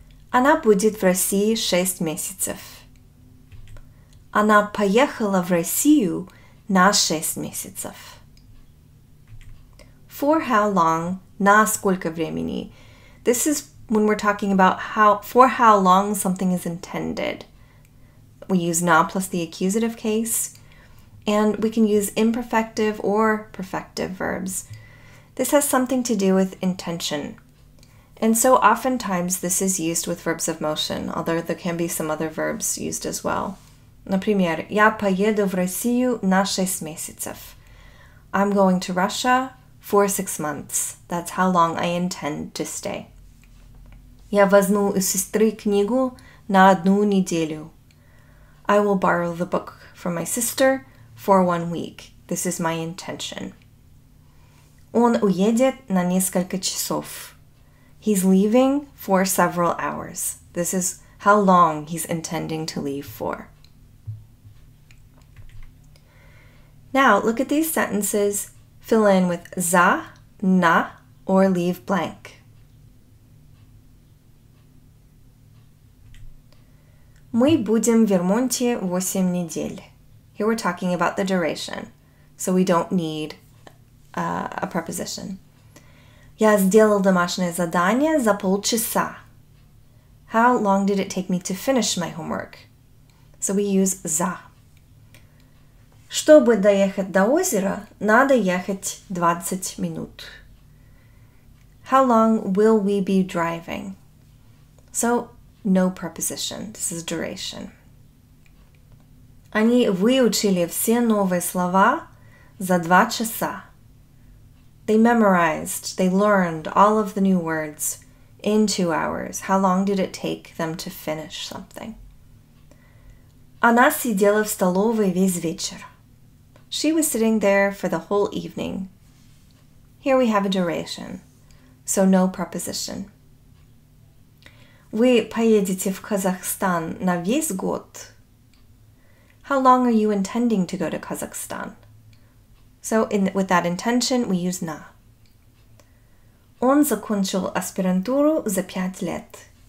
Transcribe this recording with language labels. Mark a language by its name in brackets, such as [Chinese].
[Russian] Она будет в России 6 месяцев. Она поехала в Россию на 6 месяцев. [English] For how long? [Russian] На сколько времени? [English] This is when we're talking about how for how long something is intended. We use na plus the accusative case. And we can use imperfective or perfective verbs. This has something to do with intention. And so oftentimes this is used with verbs of motion, although there can be some other verbs used as well. [Russian] Например, я поеду в Россию на 6 месяцев. [English] I'm going to Russia for 6 months. That's how long I intend to stay. [Russian] Я возьму у сестры книгу на одну неделю. [English] I will borrow the book from my sister for 1 week. This is my intention. [Russian] Он уедет на несколько часов. [English] He's leaving for several hours. This is how long he's intending to leave for. Now, look at these sentences. Fill in with за, на, or leave blank. [Russian] Мы будем в Вермонте 8 недель. [English] Here we're talking about the duration, so we don't need a preposition. [Russian] Я сделал домашнее задание за полчаса. [English] How long did it take me to finish my homework? So we use за. [Russian] Чтобы доехать до озера, надо ехать 20 минут. [English] How long will we be driving? So no preposition, this is duration. [Russian] Они выучили все новые слова за 2 часа. [English] They memorized, they learned all of the new words in 2 hours. How long did it take them to finish something? [Russian] Она сидела в столовой весь вечер. [English] She was sitting there for the whole evening. Here we have a duration, so no preposition. [Russian] Вы поедете в Казахстан на весь год? [English] How long are you intending to go to Kazakhstan? So with that intention, we use на. [Russian] Он закончил аспирантуру за 5 лет.